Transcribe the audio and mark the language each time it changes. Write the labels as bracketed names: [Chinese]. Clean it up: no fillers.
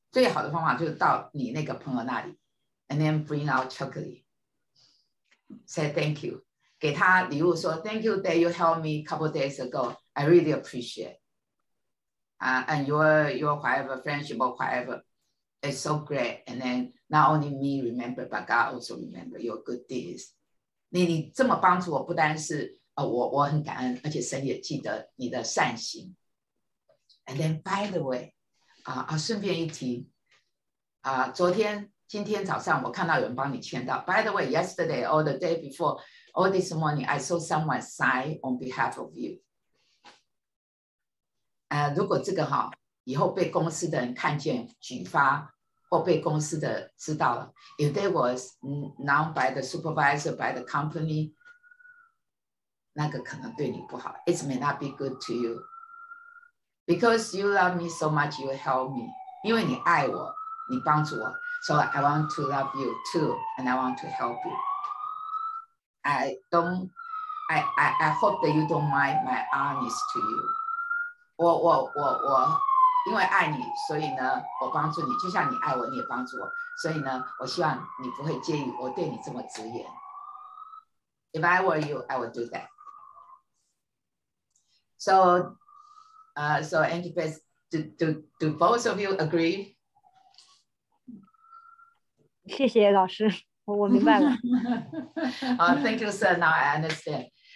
[Chinese] 最好的方法就是到你那个朋友那里 [English] and then bring out chocolate. said thank you. [Chinese] 给他礼物说 [English] thank you that you helped me a couple of days ago. I really appreciate. And your whatever friendship or whatever, it's so great. And then not only me remember, but God also remember your good deeds. [Chinese] 你这么帮助我，不单是我很感恩，而且神也记得你的善行。 [English] And then by the way, [Chinese] 顺便一提，昨天今天早上我看到有人帮你签到。 [English] By the way, yesterday or the day before. All this morning, I saw someone sign on behalf of you. [Chinese] 如果这个哈，以后被公司的人看见举发，或被公司的知道了 ， [English] if that was known by the supervisor, by the company, [Chinese] 那个可能对你不好。 [English] It may not be good to you. Because you love me so much, you help me. [Chinese] 因为你爱我，你帮助我。 [English] So I want to love you too, and I want to help you. I hope that you don't mind my honest to you. [Chinese] 我因为爱你，所以呢，我帮助你，就像你爱我，你也帮助我，所以呢，我希望你不会介意我对你这么直言。 [English] If I were you, I would do that. So, so Angelus, do both of you agree? [Chinese] 谢谢老师。 [English] thank you, sir. Now I understand.